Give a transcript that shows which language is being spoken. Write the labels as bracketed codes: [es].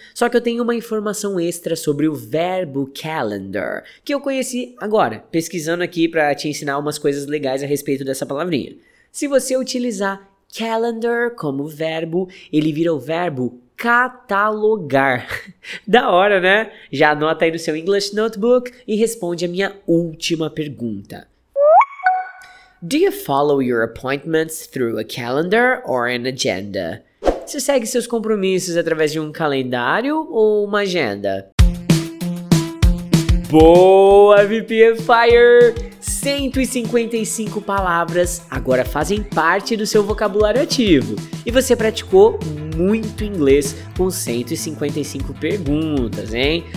[pt] Só que eu tenho uma informação extra sobre o verbo calendar, que eu conheci agora, pesquisando aqui pra te ensinar umas coisas legais a respeito dessa palavrinha. Se você utilizar calendar como verbo, ele vira o verbo catalogar. Da hora, né? Já anota aí no seu English Notebook e responde a minha última pergunta. [en] Do you follow your appointments through a calendar or an agenda? [pt] Você segue seus compromissos através de um calendário ou uma agenda? Boa, VP Fire! 155 palavras agora fazem parte do seu vocabulário ativo. E você praticou muito inglês com 155 perguntas, hein?